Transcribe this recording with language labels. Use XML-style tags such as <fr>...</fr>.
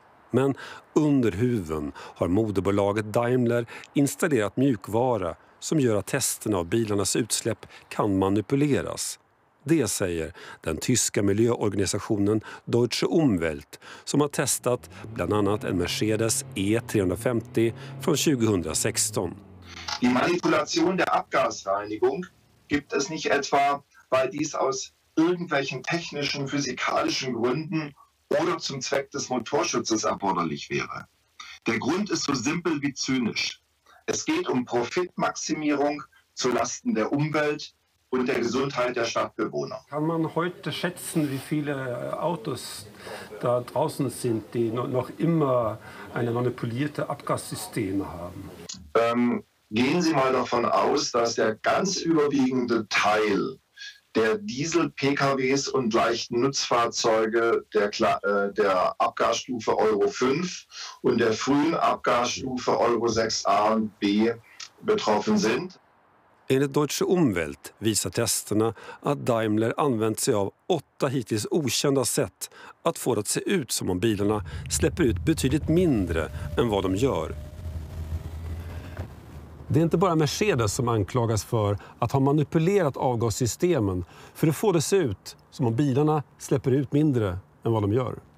<sv>Men under huven har moderbolaget Daimler installerat mjukvara som gör att testerna av bilarnas utsläpp kan manipuleras. Det säger den tyska miljöorganisationen Deutsche Umwelt som har testat bland annat en Mercedes E350 från 2016.</sv> <de>Die Manipulation der Abgasreinigung gibt es nicht etwa, weil dies aus irgendwelchen technischen physikalischen Gründen oder zum Zweck des Motorschutzes erforderlich wäre. Der Grund ist so simpel wie zynisch. Es geht um Profitmaximierung zu Lasten der Umwelt und der Gesundheit der Stadtbewohner. Kann man heute schätzen, wie viele Autos da draußen sind, die noch immer eine manipulierte Abgassysteme haben? Gehen Sie mal davon aus, dass der ganz überwiegende Teil der Diesel-PKWs und leichten Nutzfahrzeuge der Abgasstufe Euro 5 und der frühen Abgasstufe Euro 6a und b betroffen sind.</de> <sv>Enligt Deutsche Umwelt visar testerna att Daimler använt sig av 8 hittills okända sätt att få det att se ut som om bilarna släpper ut betydligt mindre än vad de gör. Det är inte bara Mercedes som anklagas för att ha manipulerat avgassystemen för att få det se ut som om bilarna släpper ut mindre än vad de gör.</sv>